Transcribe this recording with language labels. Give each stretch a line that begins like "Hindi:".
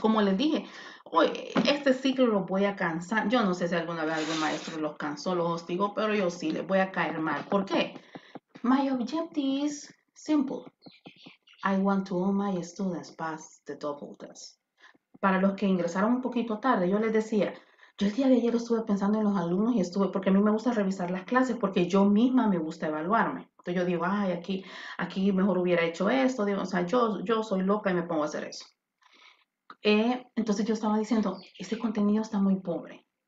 Spanish: Como les dije, hoy este ciclo los voy a cansar. Yo no sé si alguna vez algún maestro los cansó, los hostigó, pero yo sí les voy a caer mal. ¿Por qué?
English: My objective is simple. I want to all my students pass the double test.
Spanish: Para los que ingresaron un poquito tarde, yo les decía, yo el día de ayer estuve pensando en los alumnos y estuve, porque a mí me gusta revisar las clases, porque yo misma me gusta evaluarme. Entonces yo digo, ay, aquí mejor hubiera hecho esto. Digo, o sea, yo soy loca y me pongo a hacer eso. Entonces yo estaba diciendo, este contenido está muy pobre.